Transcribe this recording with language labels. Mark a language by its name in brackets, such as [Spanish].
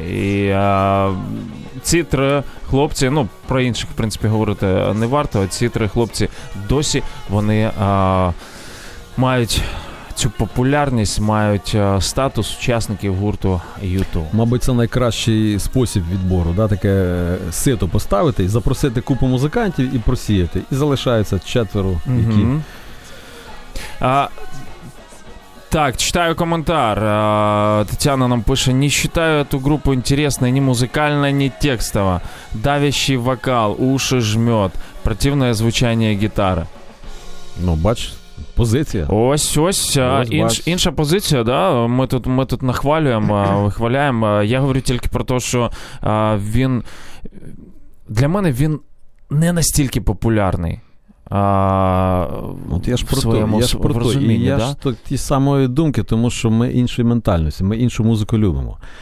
[Ukrainian] І ці три хлопці, ну, про інших, в принципі, говорити не варто, а ці три хлопці досі вони мають цю популярність, мають статус учасників гурту U2. Мабуть, це найкращий спосіб відбору, да? Таке сито поставити, запросити купу музикантів і просіяти. І залишається четверо, які... Так, читаю коментар. Тетяна нам пише: [Russian] «Не считаю эту группу интересной ни музыкально, ни текстово. Давящий вокал, уши жмет. Противное звучание гитары». [Ukrainian] Ну, бач, позиція. Ось, інша позиція, да? Ми тут нахвалюємо, вихваляємо. Я говорю тільки про те, що він... Для мене він не настільки популярний. От я ж про своєму, то, я ж про то, і я ж то, ті самої думки, тому що ми іншої ментальності, ми іншу музику любимо.